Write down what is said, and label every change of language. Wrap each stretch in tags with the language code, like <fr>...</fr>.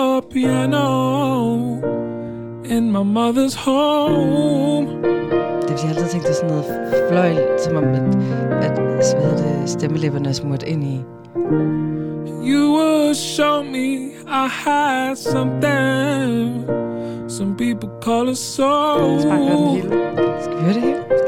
<en>Piano in my mother's home.</en> <da>Det vil jeg altid tænke, det er sådan noget fløjl, som om at stemmelæberne er smurt ind i.</da> <en>You would show me I had something. Some people call a soul.</en> <da>Det smager den hele. Skal vi høre det hele?</da>